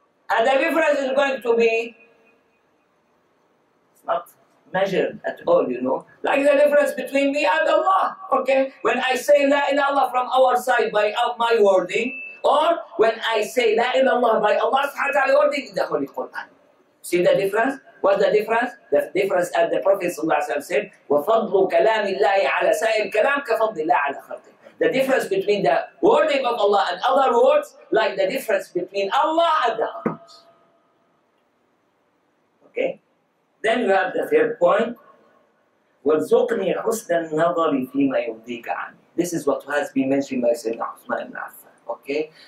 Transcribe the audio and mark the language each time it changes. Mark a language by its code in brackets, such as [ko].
[en] And the difference is going to be, it's not measured at all, you know. Like the difference between me and Allah, okay? When I say La ilaha illallah from our side by my wording, or when I say La ilaha illallah by Allah subhanahu wa ta'ala wording in the Holy Quran. See the difference? What's the difference? The difference as the Prophet said, [ar] وَفَضْلُ كَلَامِ اللَّهِ عَلَى سَائِرِ كَلَامِ كَفَضْلِ اللَّهِ عَلَى خَلْقِهِ. [en] The difference between the wording of Allah and other words, like the difference between Allah and the others. Okay? Then we have the third point. [ar] وَرْزُقْنِي حُسْنَ النَّظَرِ فِي مَا يُرْضِيكَ عَنِي. [en] This is what has been mentioned by Sayyidina Uthman ibn Affan. Okay?